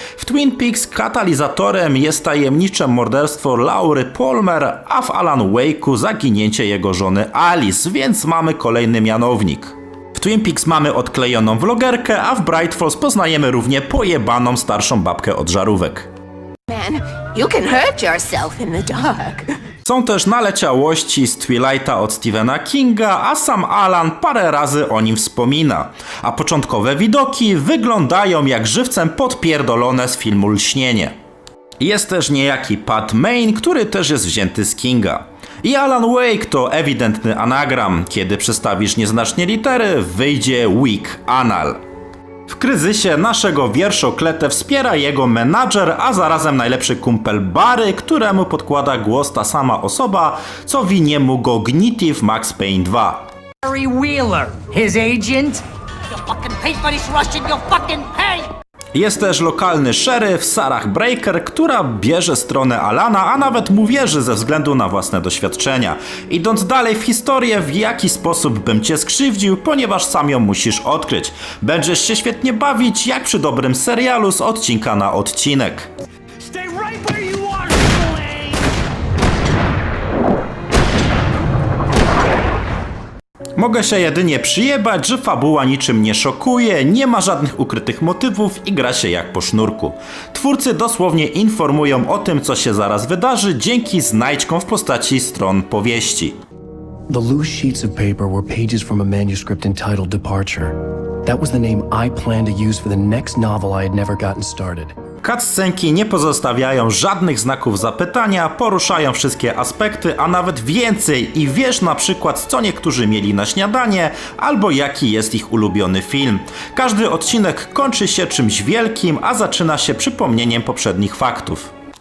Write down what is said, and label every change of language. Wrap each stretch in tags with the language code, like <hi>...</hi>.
<pl>W Twin Peaks katalizatorem jest tajemnicze morderstwo Laury Palmer, a w Alan Wake'u zaginięcie jego żony Alice, więc mamy kolejny mianownik. W Twin Peaks mamy odklejoną vlogerkę, a w Bright Falls poznajemy równie pojebaną starszą babkę od żarówek.</pl> <en>Man, you can hurt yourself in the dark.</en> <pl>Są też naleciałości z Twilighta od Stephena Kinga, a sam Alan parę razy o nim wspomina. A początkowe widoki wyglądają jak żywcem podpierdolone z filmu Lśnienie. Jest też niejaki Pat Main, który też jest wzięty z Kinga. I Alan Wake to ewidentny anagram. Kiedy przestawisz nieznacznie litery, wyjdzie Weak Anal. W kryzysie naszego wierszokletę wspiera jego menadżer, a zarazem najlepszy kumpel Barry, któremu podkłada głos ta sama osoba, co winie mu Cognitive Max Payne 2.</pl> <en>Barry Wheeler, his agent. You'll fucking pay for this, Russian, you'll fucking pay.</en> <pl>Jest też lokalny szeryf Sarah Breaker, która bierze stronę Alana, a nawet mu wierzy ze względu na własne doświadczenia. Idąc dalej w historię, w jaki sposób bym cię skrzywdził, ponieważ sam ją musisz odkryć. Będziesz się świetnie bawić, jak przy dobrym serialu z odcinka na odcinek.</pl> <en>Stay right where you are,</en> <pl>Mogę się jedynie przyjebać, że fabuła niczym nie szokuje, nie ma żadnych ukrytych motywów i gra się jak po sznurku. Twórcy dosłownie informują o tym, co się zaraz wydarzy, dzięki znajdźkom w postaci stron powieści.</pl> <en>The loose sheets of paper were pages from a manuscript entitled Departure. That was the name I planned to use for the next novel I had never gotten started.</en> <pl>Cutscenki nie pozostawiają żadnych znaków zapytania, poruszają wszystkie aspekty, a nawet więcej, i wiesz na przykład, co niektórzy mieli na śniadanie, albo jaki jest ich ulubiony film. Każdy odcinek kończy się czymś wielkim, a zaczyna się przypomnieniem poprzednich faktów.</pl>